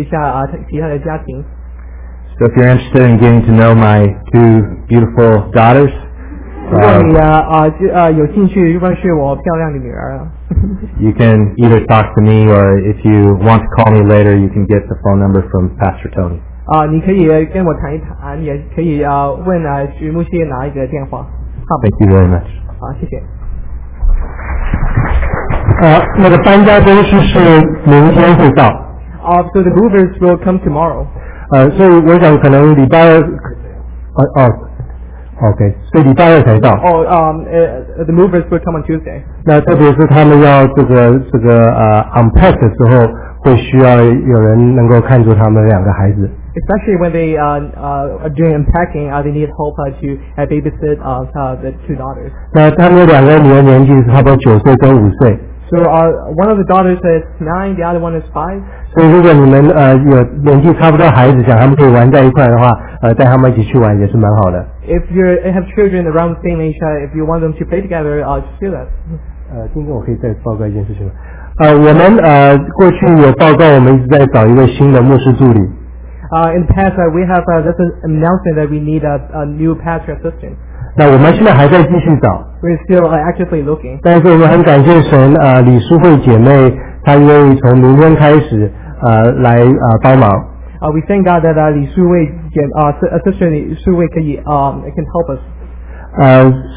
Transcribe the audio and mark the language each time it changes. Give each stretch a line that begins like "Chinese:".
Chinese: 可能就是一两个小时也好，就我们可以专心去搬家，也给我们的女儿有机会认识一下其他的家庭。
English: So if you're interested in getting to know my two beautiful daughters,
Chinese: 如果你有兴趣认识我漂亮的女儿，
English: you can either talk to me, or if you want to call me later, you can get the phone number from Pastor Tony.
Chinese: 你可以跟我谈一谈，也可以问徐牧师拿一个电话。
English: Thank you very much.
Chinese: 好，谢谢。那个搬家公司是明天会到。
English: So the movers will come tomorrow.
Chinese: 所以我想可能礼拜二，所以礼拜二才到。
English: The movers will come on Tuesday.
Chinese: 那特别是他们要这个unpack 的时候，会需要有人能够看住他们两个孩子。
English: Especially when they are doing unpacking, they need help to babysit the two daughters.
Chinese: 那他们两个女儿年纪差不多9岁跟5岁。
English: So one of the daughters is 9, the other one is 5.
Chinese: 所以如果你们 有年纪差不多孩子，想他们可以玩在一块的话，带他们一起去玩也是蛮好的。
English: If you have children around the same age, if you want them to play together, just do that.
Chinese: 今天我可以再报告一件事情吗？我们过去有报告，我们一直在找一位新的牧师助理。
English: In the past, we have this announcement that we need a new pastor assistant.
Chinese: 那我们现在还在继续找。
English: We're still actively looking.
Chinese: 但是我们很感谢神，李淑慧姐妹，她愿意从明天开始，来帮忙。
English: We thank God that assistant 淑慧 can help us.